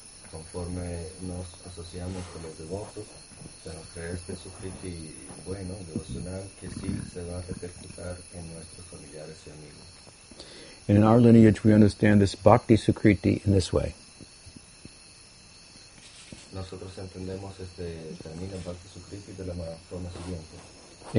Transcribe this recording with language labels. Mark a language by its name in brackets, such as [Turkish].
[Spanish] Conforme nos asociamos con los devotos, se nos crea este sukriti bueno, devocional, que sí se va a repercutir en nuestros familiares y amigos. [English] And in our lineage, we understand this bhakti-sukriti in this way. [Spanish] Nosotros entendemos este término bhakti-sukriti de la forma siguiente.